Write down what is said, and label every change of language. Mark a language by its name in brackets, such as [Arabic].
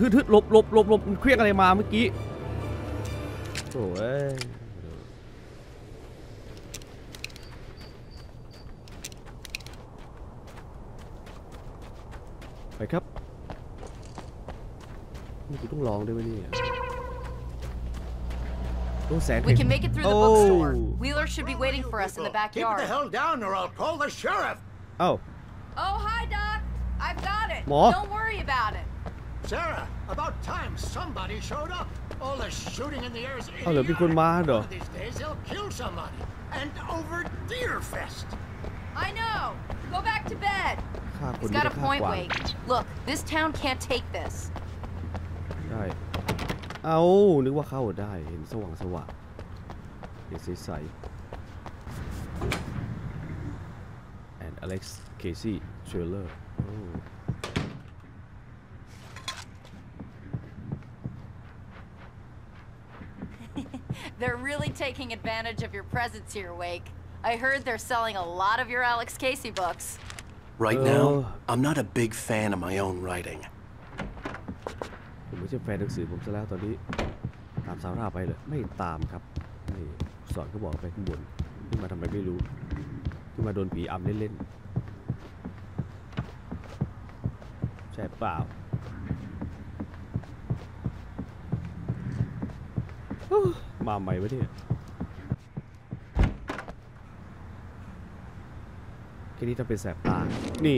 [Thai] หลบเควี้ยงอะไรมาเมื่อกี้โอ้ยไปครับนี่กูต้องลองด้วยมั้ยเนี่ย [English] We can make it through the bookstore. Wheeler should be waiting for us in the backyard. Keep the hell down, or I'll call the sheriff. Oh. Oh, hi, Doc. I've got it. What? Don't worry about it. Sarah, about time somebody showed up. All the shooting in the air is idiotic. Oh, there's a guy. One of these days, they'll kill somebody. And over Deerfest. I know. Go back to bed. He's got a point, Wake. Look, this town can't take this. Right. [Thai] เอานึกว่าเข้าได้เห็นสว่างสว่างเห็นใสๆ and Alex Casey Trailer [English] They're really taking advantage of your presence here, Wake. I heard they're selling a lot of your Alex Casey books. Right now, I'm not a big fan of my own writing. [Thai] ไม่ใช่แฟนหนังสือผมซะแล้วตอนนี้ตามสาราไปเลยไม่ตามครับนี่สอนก็บอกไปข้างบนขึ้นมาทำไมไม่รู้ขึ้นมาโดนผีอำเล่นๆใช่เปล่าฮู้มาใหม่ไหมเนี่ยแค่นี้ถ้าเป็นแสบตานี